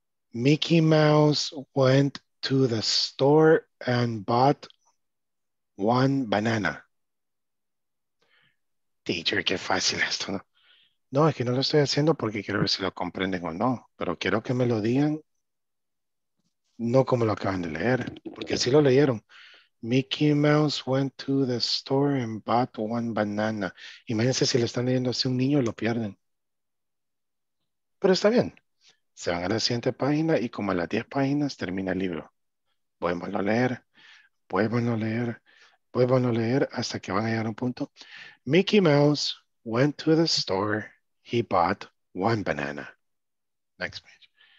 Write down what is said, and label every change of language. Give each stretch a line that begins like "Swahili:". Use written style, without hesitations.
English: Mickey Mouse went to the store and bought one banana.
Spanish: Teacher, qué fácil esto, ¿no? No, es que no lo estoy haciendo porque quiero ver si lo comprenden o no. Pero quiero que me lo digan, no como lo acaban de leer. Porque sí lo leyeron.
English: Mickey Mouse went to the store and bought one banana.
Spanish: Imagínense si lo están leyendo así un niño, lo pierden. Pero está bien. Se van a la siguiente página y como a las 10 páginas termina el libro. Vuélvanlo a leer. Vuélvanlo a leer. Vuélvanlo a leer hasta que van a llegar a un punto.
English: Mickey Mouse went to the store. He bought one banana. Next page.